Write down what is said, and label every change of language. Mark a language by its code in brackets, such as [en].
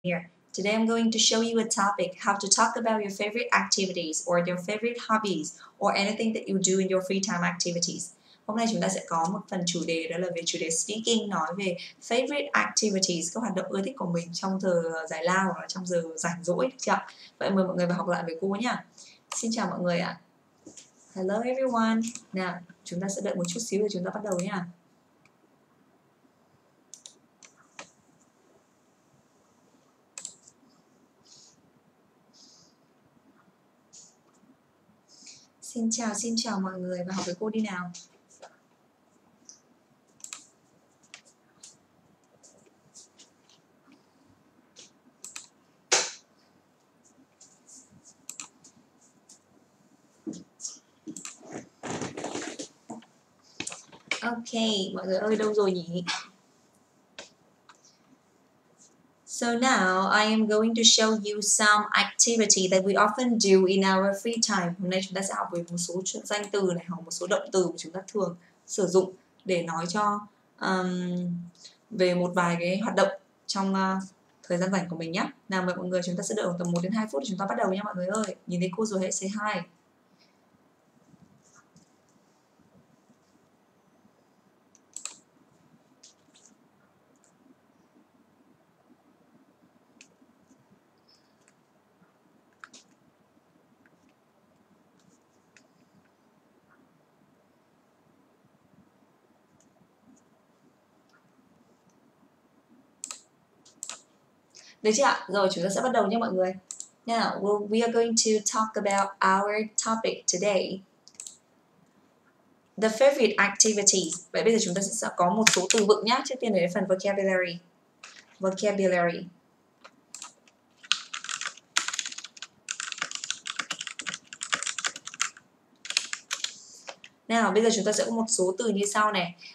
[en] Here, today I'm going to show you a topic, how to talk about your favorite activities or your favorite hobbies or anything that you do in your free time activities. [vi] Hôm nay chúng ta sẽ có một phần chủ đề đó là về chủ đề speaking, nói về [en] favorite activities, [vi] các hoạt động ưa thích của mình trong giờ giải lao hoặc là trong giờ rảnh rỗi. Vậy mời mọi người vào học lại với cô nhá. Xin chào mọi người ạ. [en] Hello everyone. [vi] Nào, chúng ta sẽ đợi một chút xíu để chúng ta bắt đầu nhá. Xin chào mọi người và học với cô đi nào. Ok, mọi người ơi đâu rồi nhỉ? [en] So now I am going to show you some activity that we often do in our free time. [vi] Hôm nay chúng ta sẽ học về một số danh từ này hoặc một số động từ mà chúng ta thường sử dụng để nói cho về một vài cái hoạt động trong thời gian rảnh của mình nhé. Nào mời mọi người, chúng ta sẽ đợi khoảng tầm 1 đến 2 phút để chúng ta bắt đầu nha mọi người ơi. Nhìn thấy cô rồi hãy [en] say hi. [vi] Được chưa ạ? Rồi chúng ta sẽ bắt đầu nha mọi người. [en] Now, we are going to talk about our topic today. The favorite activities. [vi] Vậy bây giờ chúng ta sẽ có một số từ vựng nhá. Trước tiên là phần vocabulary. Vocabulary. Now, bây giờ chúng ta sẽ có một số từ như sau này.